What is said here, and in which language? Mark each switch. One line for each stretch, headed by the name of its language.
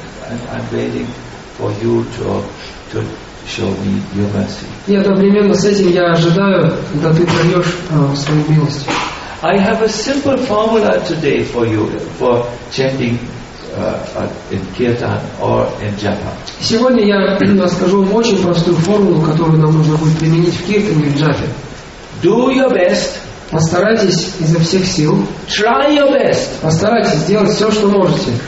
English: And I'm waiting for you to show me your mercy.
Russian: И одновременно с этим я ожидаю, когда ты даешь свою милость.
English: I have a simple formula today for you for chanting in kirtan or in japa.
Russian: Сегодня я расскажу вам очень простую формулу, которую нам нужно будет применить в киртане или джапе.
English: Do your best.
Russian: Постарайтесь изо всех сил.
English: Try your best.
Russian: Постарайтесь сделать все, что можете.